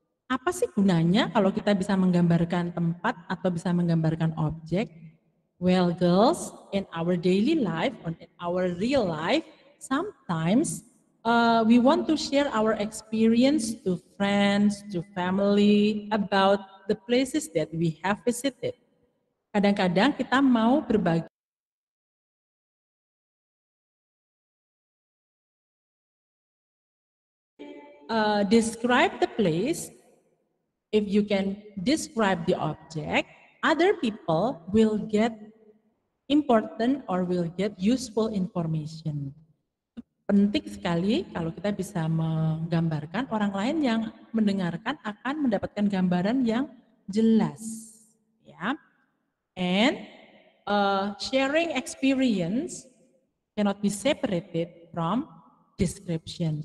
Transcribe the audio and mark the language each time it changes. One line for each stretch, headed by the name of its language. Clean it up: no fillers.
Indonesian: Apa sih gunanya kalau kita bisa menggambarkan tempat atau bisa menggambarkan objek?
English: Well, girls, in our daily life, or in our real life, sometimes we want to share our experience to friends, to family, about the places that we have visited.
Indonesian: Kadang-kadang kita mau berbagi.
English: Describe the place. If you can describe the object, other people will get important or will get useful information.
Indonesian: Penting sekali kalau kita bisa menggambarkan, orang lain yang mendengarkan akan mendapatkan gambaran yang jelas. Ya.
English: And sharing experience cannot be separated from description.